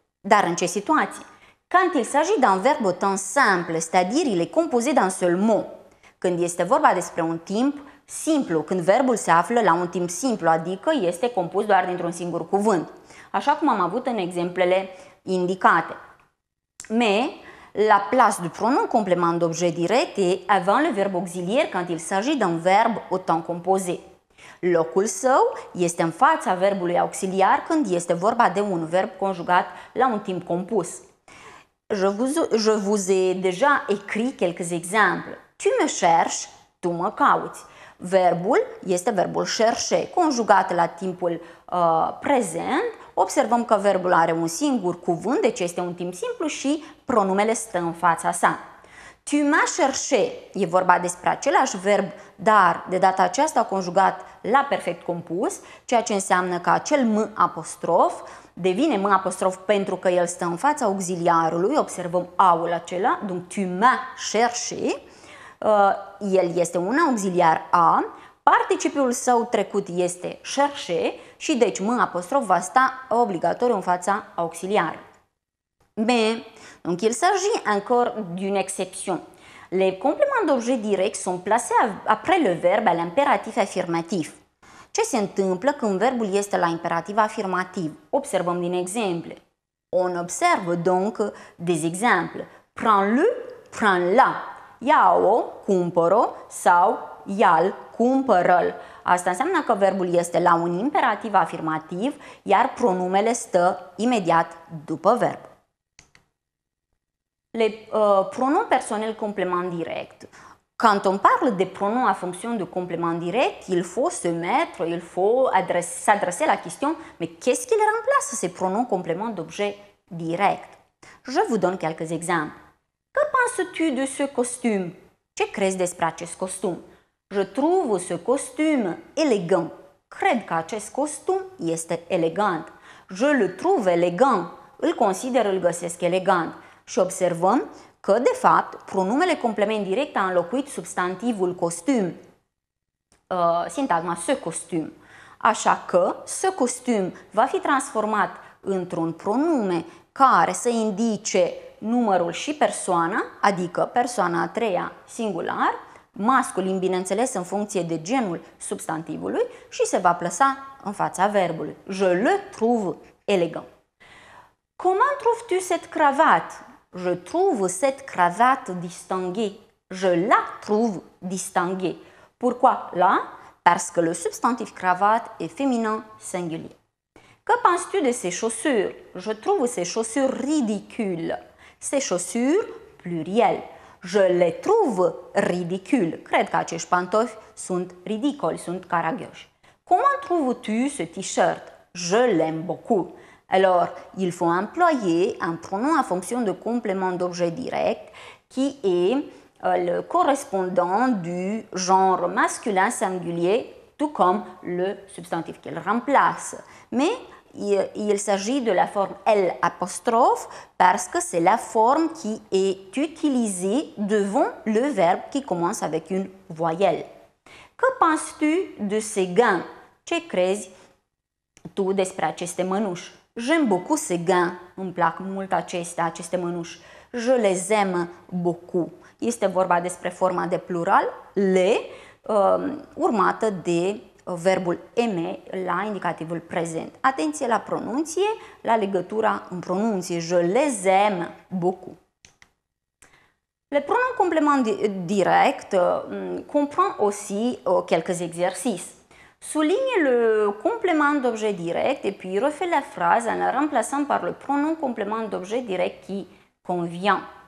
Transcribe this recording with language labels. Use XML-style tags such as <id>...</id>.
<ro>Dar în ce situații?</ro> <fr>Quand il s'agit d'un verbe au temps simple, c'est-à-dire il est composé d'un seul mot.</fr> <ro>Când este vorba despre un timp simplu, când verbul se află la un timp simplu, adică este compus doar dintr-un singur cuvânt. Așa cum am avut în exemplele indicate.</ro> <fr>Mais la place du pronom complément d'objet direct est avant le verbe auxiliaire quand il s'agit d'un verbe au temps composé.</fr> <ro>Locul său este în fața verbului auxiliar când este vorba de un verb conjugat la un timp compus.</ro> <fr>Je vous ai déjà écrit quelques exemples. Tu me cherches,</fr> <ro>tu mă cauți. Verbul este verbul cherche, conjugat la timpul prezent. Observăm că verbul are un singur cuvânt, deci este un timp simplu și pronumele stă în fața sa.</ro> <fr>Tu m'as cherché,</fr> <ro>e vorba despre același verb, dar de data aceasta conjugat la perfect compus, ceea ce înseamnă că acel m apostrof devine m apostrof pentru că el stă în fața auxiliarului, observăm a-ul acela,</ro> <fr>donc tu m'as cherché,</fr> <ro>el este un auxiliar a, participiul său trecut este cherché și deci m apostrof va sta obligatoriu în fața auxiliarului.</ro> <fr>Mais, donc il s'agit encore d'une exception. Les compléments d'objet direct sont placés après le verbe à l'impératif affirmatif.</fr> <ro>Ce se întâmplă când verbul este la imperativ afirmativ? Observăm din exemple.</ro> <fr>On observe donc des exemples. Prends-le, prends-la.</fr> <ro>Ia-o, cumpără-o sau ia-l, cumpără-l. Asta înseamnă că verbul este la un imperativ afirmativ, iar pronumele stă imediat după verb.</ro> <fr>Les pronoms personnels complément direct. Quand on parle des pronoms à fonction de complément direct, il faut s'adresser la question mais qu'est-ce qu'il remplace ces pronoms complément d'objet direct? Je vous donne quelques exemples. Que penses-tu de ce costume?</fr> <ro>Ce crezi despre acest costum?</ro> <fr>Je trouve ce costume élégant.</fr> <ro>Cred că acest costum este elegant.</ro> <fr>Je le trouve élégant.</fr> <ro>Îl găsesc elegant. Și observăm că, de fapt, pronumele complement direct a înlocuit substantivul costum, sintagma ce costum. Așa că ce costum va fi transformat într-un pronume care să indice numărul și persoana, adică persoana a treia singular, masculin, bineînțeles, în funcție de genul substantivului și se va plasa în fața verbului.</ro> <fr>Je le trouve élégant. Comment trouves-tu cette cravate? Je trouve cette cravate distinguée. Je la trouve distinguée. Pourquoi la? Parce que le substantif cravate est féminin singulier. Que penses-tu de ces chaussures? Je trouve ces chaussures ridicules. Ces chaussures, pluriel. Je les trouve ridicules.</fr> <ro>Cred că acești pantofi sunt ridicoli, sunt caragioși.</ro> <fr>Comment trouves-tu ce t-shirt? Je l'aime beaucoup. Alors, il faut employer un pronom à fonction de complément d'objet direct qui est le correspondant du genre masculin singulier, tout comme le substantif qu'il remplace. Mais il s'agit de la forme L apostrophe parce que c'est la forme qui est utilisée devant le verbe qui commence avec une voyelle. Que penses-tu de ces gants?</fr> <ro>Ce crezi tu despre aceste mânuși?</ro> <fr>J'aime beaucoup ces gants.</fr> <ro>Îmi plac mult aceste mânuși.</ro> <fr>Je les aime beaucoup.</fr> <ro>Este vorba despre forma de plural, les, urmată de verbul aimer la indicativul prezent. Atenție la pronunție, la legătura în pronunție.</ro> <fr>Je les aime beaucoup. Le pronom complément direct comprend aussi quelques exercices. Souligne le complément d'objet direct et puis refait la phrase en la remplaçant par le pronom complément d'objet direct qui convient.</fr>